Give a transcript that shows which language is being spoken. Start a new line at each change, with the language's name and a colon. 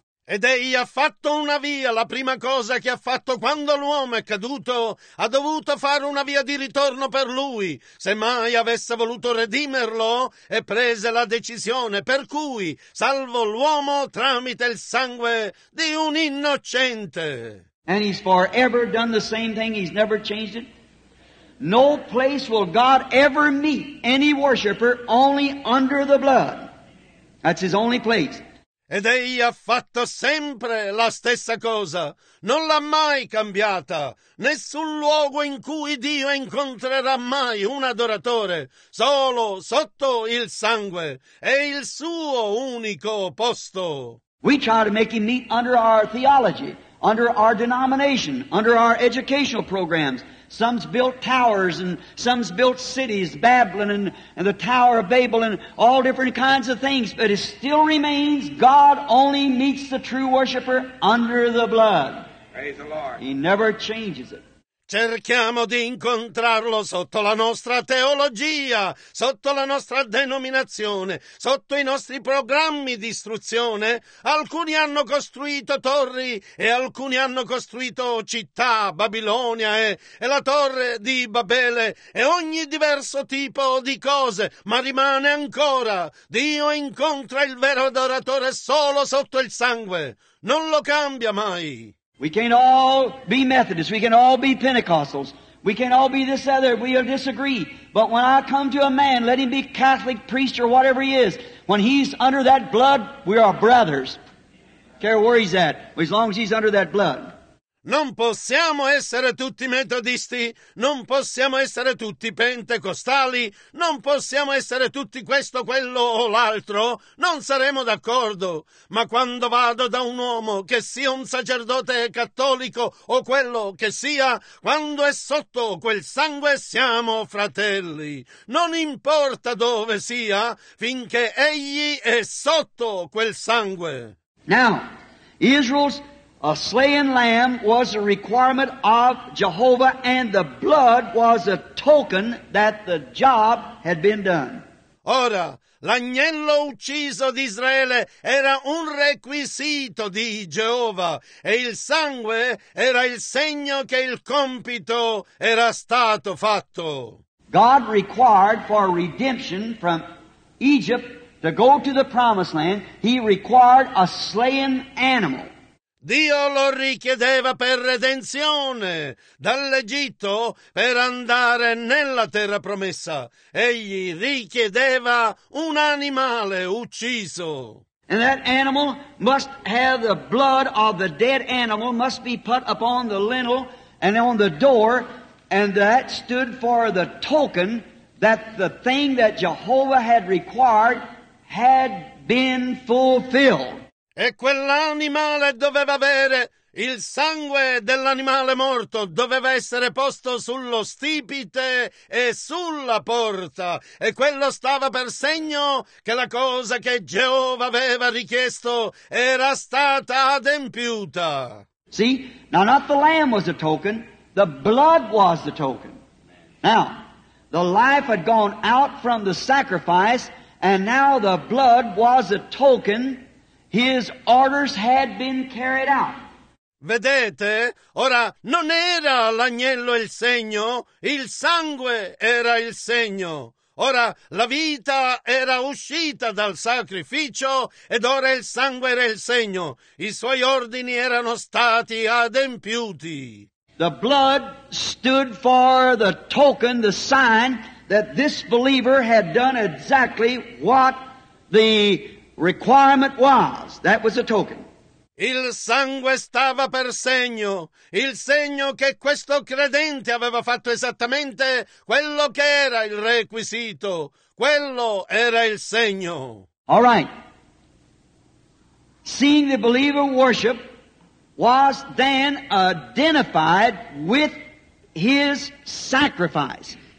Italian: Ed egli ha fatto una via, la prima cosa che ha fatto quando l'uomo è caduto, ha dovuto fare una via di ritorno per lui, se mai avesse voluto redimerlo, e prese la decisione per cui salvo l'uomo tramite il sangue di un innocente.
English: And he's forever done the same thing, he's never changed it. No place will God ever meet any worshiper, only under the blood. That's his only place.
Italian: Ed egli ha fatto sempre la stessa cosa, non l'ha mai cambiata. Nessun luogo in cui Dio incontrerà mai un adoratore, solo sotto il sangue, è il suo unico posto.
English: We try to make him meet under our theology, under our denomination, under our educational programs, Some's built towers and some's built cities, Babylon and the Tower of Babel and all different kinds of things. But it still remains God only meets the true worshiper under the blood. Praise the Lord. He never changes it.
Italian: Cerchiamo di incontrarlo sotto la nostra teologia, sotto la nostra denominazione, sotto i nostri programmi di istruzione. Alcuni hanno costruito torri e alcuni hanno costruito città, Babilonia e la torre di Babele e ogni diverso tipo di cose, ma rimane ancora. Dio incontra il vero adoratore solo sotto il sangue. Non lo cambia mai.
English: We can't all be Methodists, we can all be Pentecostals, we can all be this other, we'll disagree. But when I come to a man, let him be Catholic, priest, or whatever he is, when he's under that blood, we are brothers. Care where he's at, as long as he's under that blood.
Italian: Non possiamo essere tutti metodisti, non possiamo essere tutti pentecostali, non possiamo essere tutti questo, quello o l'altro, non saremo d'accordo. Ma quando vado da un uomo, che sia un sacerdote cattolico o quello che sia, quando è sotto quel sangue siamo fratelli. Non importa dove sia, finché egli è sotto quel sangue.
English: Now, Israel's a slain lamb was a requirement of Jehovah, and the blood was a token that the job had been done.
Italian: Ora, l'agnello ucciso di Israele era un requisito di Geova, e il sangue era il segno che il compito era stato fatto.
English: God required for redemption from Egypt to go to the promised land, he required a slain animal.
Italian: Dio lo richiedeva per redenzione dall'Egitto per andare nella terra promessa. Egli richiedeva un animale ucciso.
English: And that animal must have the blood of the dead animal must be put upon the lintel and on the door, and that stood for the token that the thing that Jehovah had required had been fulfilled.
Italian: E quell'animale doveva avere il sangue dell'animale morto, doveva essere posto sullo stipite e sulla porta. E quello stava per segno che la cosa che Geova aveva richiesto era stata adempiuta.
English: See, now not the lamb was the token, the blood was the token. Now, the life had gone out from the sacrifice, and now the blood was a token. His orders had been carried out.
Italian: Vedete, ora non era l'agnello il segno, il sangue era il segno. Ora la vita era uscita dal sacrificio ed ora il sangue era il segno. I suoi ordini erano stati adempiuti.
English: The blood stood for the token, the sign that this believer had done exactly what the requirement was. That was a token.
Italian: Il sangue stava per segno, il segno che questo credente aveva fatto esattamente quello che era il requisito, quello era il segno.
English: All right. Seeing the believer worship was then identified with his sacrifice.